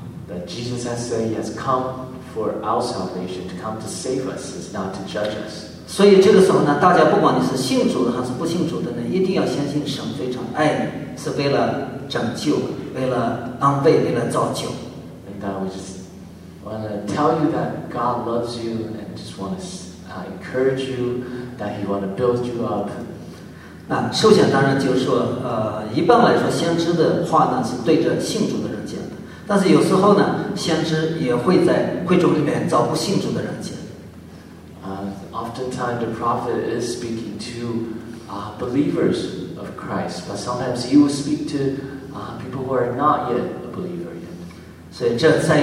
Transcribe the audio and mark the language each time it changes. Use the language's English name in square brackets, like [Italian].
[English] But Jesus has said he has come for our salvation, to come to save us, is not to judge us. [Chinese] 所以这个时候呢，大家不管你是信主的还是不信主的呢，一定要相信神非常爱你，是为了拯救，为了安慰，为了造就。 [English] And I just want to tell you that God loves you and just want to encourage you that he want to build you up. [Chinese] 那首先当然就是说，一般来说先知的话呢是对着信主的人讲的，但是有时候呢，先知也会在会众里面找不信主的人讲。 [English] Oftentimes, the prophet is speaking to believers of Christ, but sometimes he will speak to people who are not yet a believer yet.